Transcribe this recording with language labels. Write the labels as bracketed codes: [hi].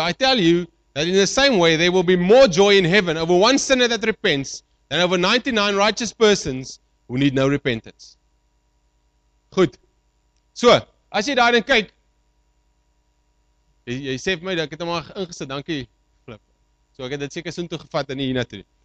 [en] I tell you that in the same way there will be more joy in heaven over one sinner that repents than over 99 righteous persons who need no repentance. [af] Goed. So, as jy daarin kyk, jy sê vir my dat ek het hom al ingesit. Dankie, Flip. So ek het dit seker soontoe gevat en nie hiernatoe.